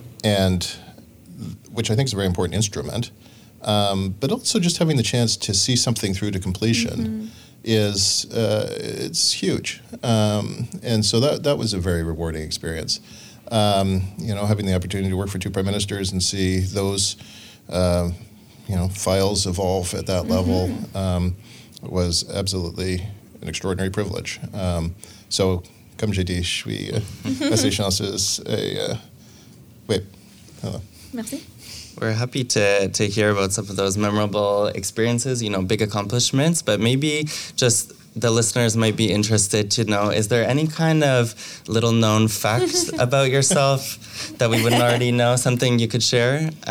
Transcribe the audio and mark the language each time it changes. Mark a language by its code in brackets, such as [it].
[en] And which I think is a very important instrument. But also just having the chance to see something through to completion is huge. And so that was a very rewarding experience. Having the opportunity to work for two prime ministers and see those, files evolve at that level was absolutely an extraordinary privilege. [fr] So, comme j'ai dit, je suis assez chanceux. [en] Hello. [fr] Merci. [en] We're happy to hear about some of those memorable experiences, you know, big accomplishments, but maybe just the listeners might be interested to know, is there any kind of little known facts about yourself that we wouldn't already know, something you could share?